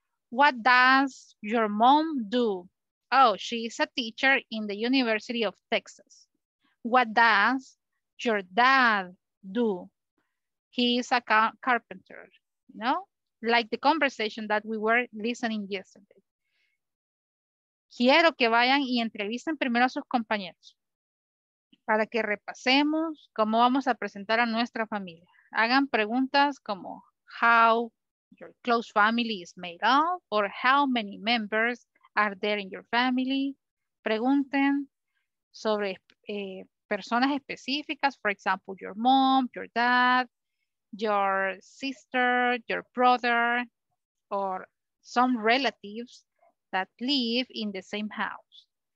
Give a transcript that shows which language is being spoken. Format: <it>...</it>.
<en>What does your mom do? Oh, she's a teacher in the University of Texas. What does your dad do? He is a carpenter, you know? Like the conversation that we were listening yesterday.</en> <es>Quiero que vayan y entrevisten primero a sus compañeros para que repasemos cómo vamos a presentar a nuestra familia. Hagan preguntas como</es> <en>how your close family is made of, or how many members are there in your family.</en> <es>Pregunten sobre personas específicas,</es> <en>for example, your mom, your dad, your sister, your brother, or some relatives that live in the same house.</en>